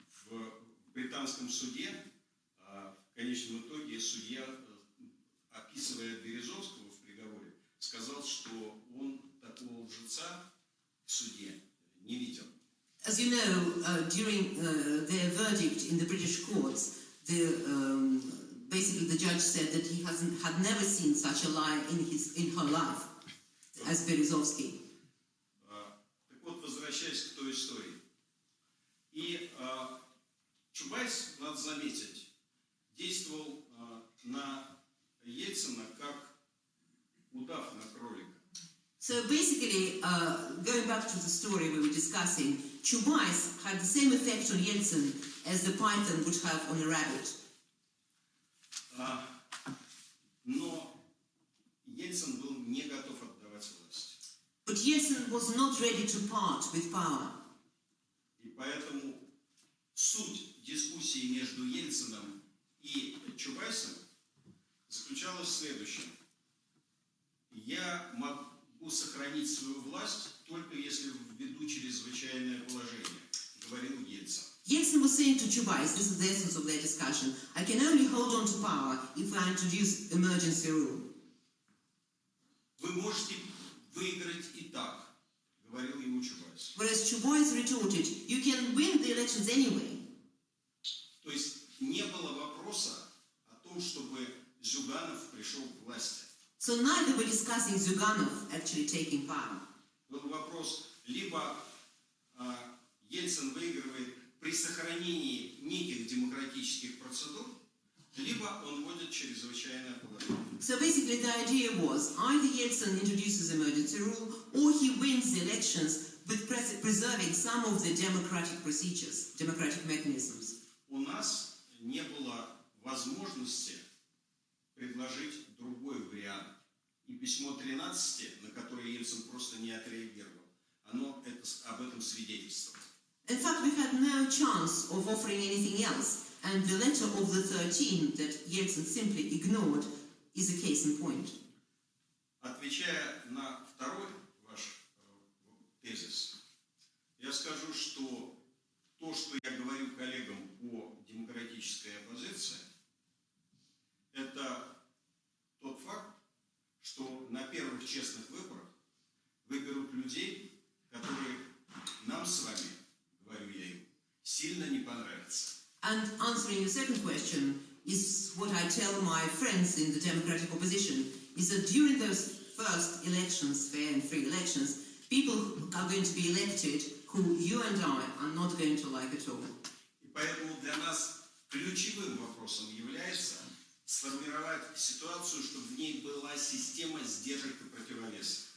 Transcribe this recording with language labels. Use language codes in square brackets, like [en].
[ru] В британском суде, в конечном итоге, судья, описывая Березовского в приговоре, сказал, что он такого лжеца в суде не видел. [en] As you know, during their verdict in the British courts, basically the judge said that he had never seen such a liar in her life as Березовский. [ru] Так вот, возвращаясь к той истории. И Чубайс, надо заметить, действовал на Ельцина как удав на кролика. [en] So basically, going back to the story we were discussing, Чубайс had the same effect on Ельцин as the python would have on a rabbit. [ru] Но Ельцин был не готов отдавать власть. [en] But Ельцин was not ready to part with power. [ru] И поэтому суть дискуссии между Ельцином и Чубайсом заключалась в следующем. Я могу сохранить свою власть только если введу чрезвычайное положение, говорил Ельцин. [en] Ельцин was saying to Chubais, this is the essence of their discussion, I can only hold on to power if I introduce emergency rule. [ru] Вы можете выиграть и так, говорил ему Чубайс. [en] Whereas Chubais retorted, you can win the elections anyway. [ru] То есть не было вопроса о том, чтобы Зюганов пришел к власти. [en] So neither were discussing Zyuganov actually taking power. [ru] Был вопрос, либо Ельцин выигрывает при сохранении неких демократических процедур, либо он вводит чрезвычайное положение. [en] So basically the idea was, either Ельцин introduces emergency rule, or he wins the elections with preserving some of the democratic procedures, democratic mechanisms. [ru] У нас не было возможности предложить другой вариант. И письмо 13, на которое Ельцин просто не отреагировал, оно это, об этом свидетельствовало. [en] In fact, we had no chance of offering anything else. And the letter of the 13 that Ельцин simply ignored is a case in point. [ru] Отвечая на второй ваш тезис, я скажу, что то, что я говорю коллегам о демократической оппозиции, это тот факт, что на первых честных выборах выберут людей, которые нам с вами, говорю я им, сильно не понравятся. [en] And answering your second question is what I tell my friends in the democratic opposition, is that during those first elections, fair and free elections, people are going to be elected who you and I are not going to like at all. [ru] И поэтому для нас ключевым вопросом является сформировать ситуацию, чтобы в ней была система сдержек и противовесов.